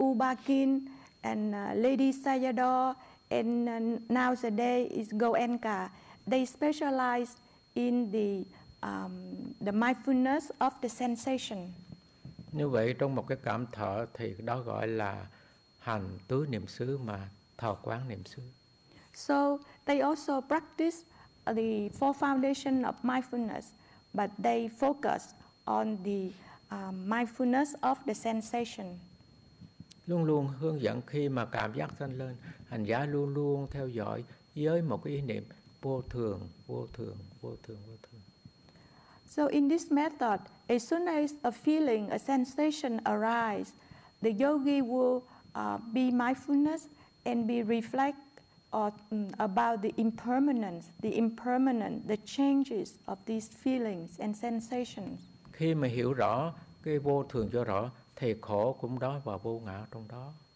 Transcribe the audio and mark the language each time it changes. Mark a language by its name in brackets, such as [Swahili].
[English] Upakhin and Lady Sayado, and nowadays is Goenka. They specialize in the mindfulness of the sensation. [Vietnamese] Như vậy trong một cái cảm thọ thì đó gọi là hành tứ niệm xứ mà thọ quán niệm xứ. [English] So they also practice the four foundation of mindfulness, but they focus on the mindfulness of the sensation. [Vietnamese] Luôn luôn hướng dẫn khi mà cảm giác sanh lên, hành giả luôn luôn theo dõi với một cái ý niệm vô thường, vô thường, vô thường, vô thường. [English] So in this method, as soon as a feeling, a sensation arises, the yogi will be mindfulness and be reflect about the impermanence, the impermanent, the changes of these feelings and sensations. [Vietnamese] Khi mà hiểu rõ cái vô thường cho rõ, thì khổ cũng đó và vô ngã trong đó.